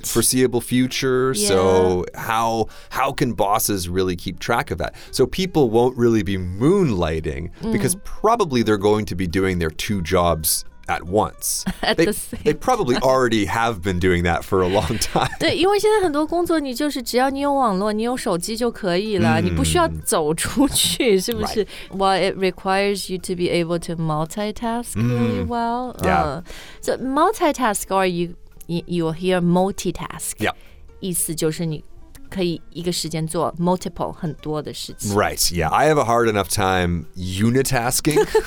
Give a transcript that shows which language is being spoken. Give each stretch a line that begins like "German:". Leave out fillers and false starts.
English: foreseeable future.、 Yeah. So how can bosses really keep track of that? So people won't really be moonlighting、mm. because probably they're going to be doing their two jobs at once. They probably already have been doing that for a long time.
Chinese: 对，因为现在很多工作，你就是只要你有网络，你有手机就可以了，你不需要走出去，是不是？
English: Well, it requires you to be able to multitask really well. Yeah. So multitask, or you will hear multitask. Yeah.
Chinese: 意思就是你可以一个时间做 multiple 很多的事情
English: Right, yeah. I have a hard enough time unitasking.